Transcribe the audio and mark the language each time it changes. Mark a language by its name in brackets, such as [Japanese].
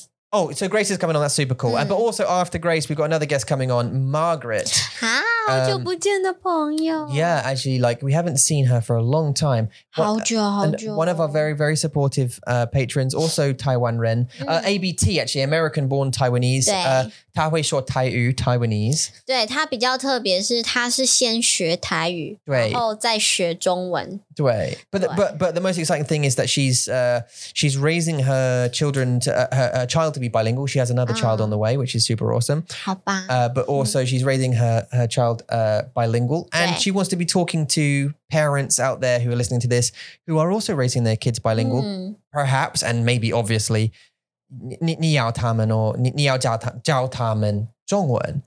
[English] Oh, so Grace is coming on. That's super cool. But also after Grace, we've got another guest coming on, Margaret. [Chinese] 好久不见的朋友. [English] Yeah, actually, like, we haven't seen her for a long time. [Chinese] 好久好久. [English] One of our very, very supportive patrons, also Taiwan Ren. ABT, actually, American-born Taiwanese. [Chinese] 对。他会说台语, Taiwanese. 对,他比较特别是他是先学台语, 对。然后再学中文。对。 [English] But the most exciting thing is that she's raising her children, her child to be bilingual. She has another child on the way, which is super awesome. [Chinese] 好吧。 [English] But also she's raising her child bilingual, and she wants to be talking to parents out there who are listening to this who are also raising their kids bilingual, perhaps, and maybe obviously, [Chinese] 你要他们哦，你要教他们中文，